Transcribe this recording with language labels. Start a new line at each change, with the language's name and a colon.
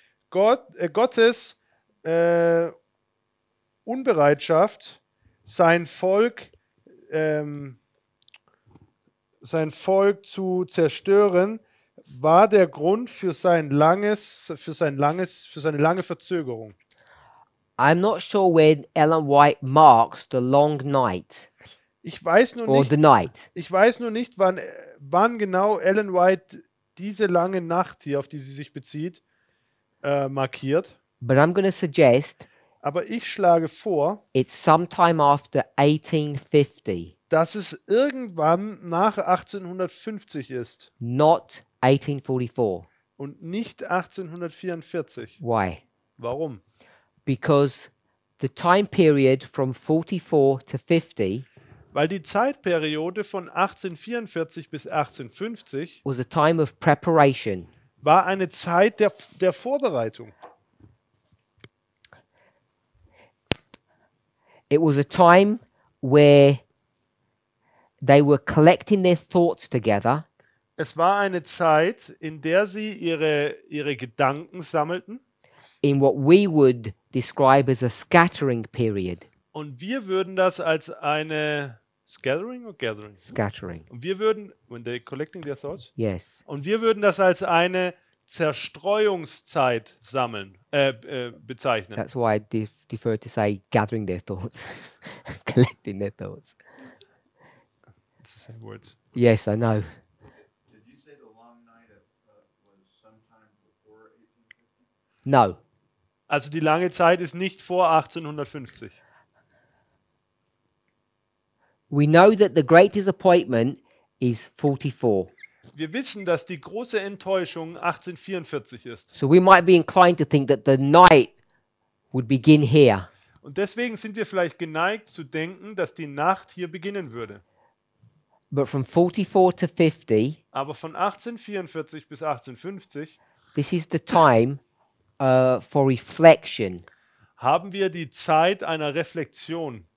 German: Gottes Unbereitschaft, sein Volk zu zerstören, war der Grund für seine lange Verzögerung.
English: I'm not sure when Ellen White marks the long night.
German: Ich weiß nur nicht, wann genau Ellen White diese lange Nacht hier, auf die sie sich bezieht, markiert.
English: But I'm gonna suggest,
German: aber ich schlage vor,
English: it's sometime after 1850.
German: Dass es irgendwann nach 1850 ist.
English: Not 1844.
German: Und nicht 1844.
English: Why?
German: Warum?
English: Because the time period from 44 to 50.
German: Weil die Zeitperiode von 1844 bis 1850
English: was a time of preparation.
German: War eine Zeit der Vorbereitung.
English: It was a time where they were collecting their thoughts together.
German: Es war eine Zeit, in der sie ihre Gedanken sammelten.
English: In what we would describe as a scattering period.
German: Und wir würden das als eine
English: Scattering or gathering? Scattering.
German: Und wir würden,
English: when they collecting their thoughts? Yes.
German: Und wir würden das als eine Zerstreuungszeit bezeichnen.
English: That's why I defer to say gathering their thoughts. Collecting their thoughts. It's the same words. Yes, I know. Did you say the long night was sometime before 1850? No.
German: Also die lange Zeit ist nicht vor 1850.
English: We know that the great disappointment is 44.
German: Wir wissen, dass die große Enttäuschung 1844 ist.
English: So we might be inclined to think that the night would begin here.
German: Und deswegen sind wir vielleicht geneigt zu denken, dass die Nacht hier beginnen würde.
English: But from 44 to 50.
German: Aber von 1844 bis 1850.
English: This is the time for reflection.
German: Haben wir die Zeit einer Reflexion.